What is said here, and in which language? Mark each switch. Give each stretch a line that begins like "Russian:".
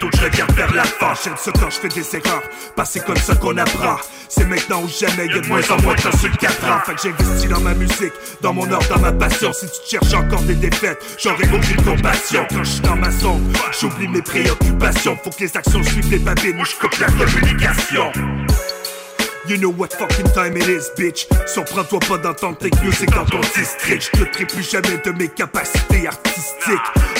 French: Où je regarde vers l'avant. J'aime ça quand je fais des erreurs. Parce c'est comme ça qu'on apprend. C'est maintenant ou jamais. Y'a de moins en moins de temps sur 4 ans. Fait que j'investis dans ma musique. Dans mon art, dans ma passion. Si tu cherches encore des défaites, j'aurai aucune compassion. Quand je suis dans ma zone, j'oublie mes préoccupations. Faut que les actions suivent les papiers, moi je coupe la communication.
English: You know what fucking time it is, bitch.
French: Surprends-toi pas d'entendre tes music dans ton district. Je douterai plus jamais de mes capacités artistiques.